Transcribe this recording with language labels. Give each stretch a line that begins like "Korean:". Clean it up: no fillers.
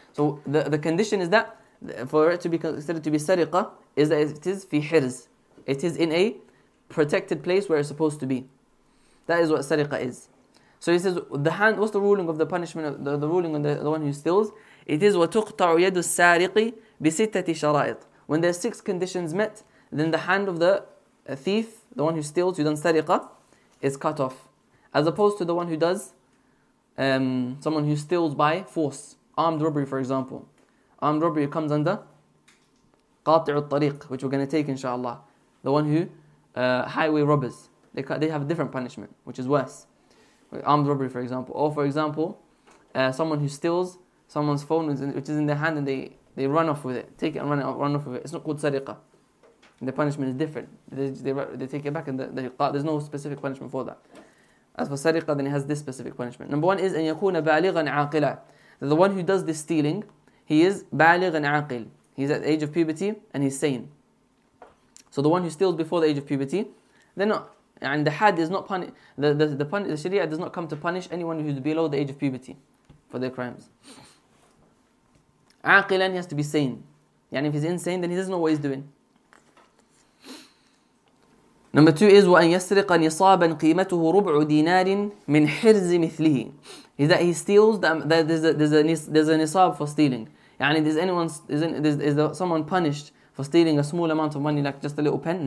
English: So the condition is that, for it to be considered to be sariqa, is that it is fi hirz. It is in a protected place where it's supposed to be. That is what sariqa is. So he says, what's the ruling of the punishment, of the ruling on the one who steals? It is
Arabic: وَتُقْطَعُ يَدُ السَّارِقِ بِسِتَّةِ شَرَائِطِ.
English: When there are six conditions met, then the hand of the thief, the one who steals, who does sariqa, is cut off. As opposed to the one who does, someone who steals by force. Armed robbery, for example. Armed robbery comes under
Arabic: قَاطِعُ الطَّرِيقِ,
English: which we're going to take, inshallah. The one who, highway robbers. They have a different punishment, which is worse. Armed robbery, for example. Or, for example, someone who steals someone's phone, which is in their hand, and they run off with it. Take it and run off with it. It's not called sariqa. The punishment is different. They take it back, and there's no specific punishment for that. As for sariqa, then it has this specific punishment.
Arabic: Number one is, أن يكون بالغاً عاقلاً.
English: The one who does this stealing, he is
Arabic: بالغاً عاقل.
English: He's at the age of puberty, and he's sane. So the one who steals before the age of puberty, they're not... And the had is not the Sharia does not come to punish anyone who is below the age of puberty for their crimes. Aqilan, he has to be sane. Yani if he's insane, then he doesn't know what he's doing.
Arabic: Number two is وَأَنْ يَسْرِقَ نِصَابًا قِيمَتُهُ رُبْعُ دِينَارٍ مِنْ حِرْزِ مِثْلِهِ.
English: Is that he steals there's a nisab for stealing. Yani is someone punished for stealing a small amount of money, like just a little pen?